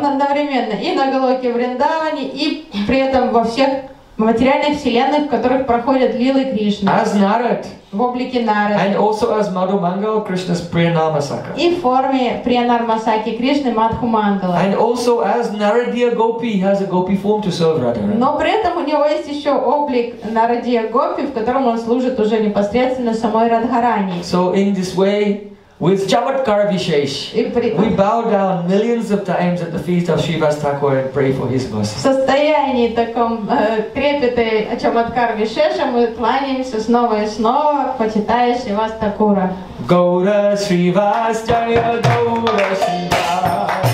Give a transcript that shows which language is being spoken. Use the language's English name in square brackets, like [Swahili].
[Russian] Он одновременно и на Голоке Вриндаване, и при этом во всех материальной вселенной, в которой проходят лилы Кришны. [English] As Narad. [Russian] В облике Нарада. [English] And also as Madhu Mangala, Krishna's Priyanamasaka. [Russian] И в форме Приянармасаки Кришны Мадху Мангала. [English] And also as Naradiya Gopi, he has a Gopi form to serve Radharani. [Russian] Но при этом у него есть еще облик Нарадия Гопи, в котором он служит уже непосредственно самой Радхарани. [English] So in this way, with Chamatkara Vishesh, we bow down millions of times at the feet of Shiva's Thakur and pray for his mercy. [Russian] В состоянии таком трепете Чаматкар Вишеша мы кланяемся снова и снова, почитая Шивас Такура. Гоура Шривас Чая Гоура Шива.